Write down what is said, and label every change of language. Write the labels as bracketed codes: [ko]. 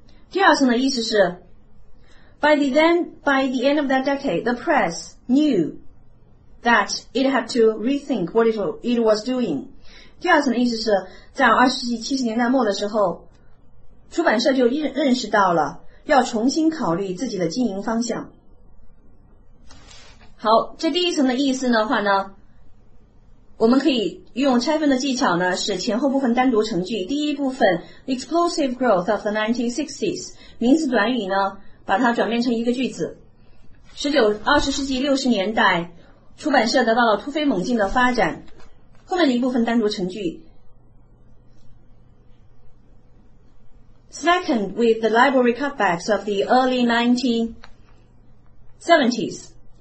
[zh] 第二层的意思是 [en] By the end of that decade, the press knew that it had to rethink what it was doing. [zh] 第二层的意思是在20世纪70年代末的时候，出版社就认识到了要重新考虑自己的经营方向。好，这第一层的意思的话呢，我们可以用拆分的技巧呢，是前后部分单独成句。第一部分 [en] Explosive growth of the 1960s [zh] 名词短语呢把它转变成一个句子。 20世纪60年代，出版社得到了突飞猛进的发展。后面的一部分单独成句。 [en] Slackened with the library cutbacks of the early 1970s.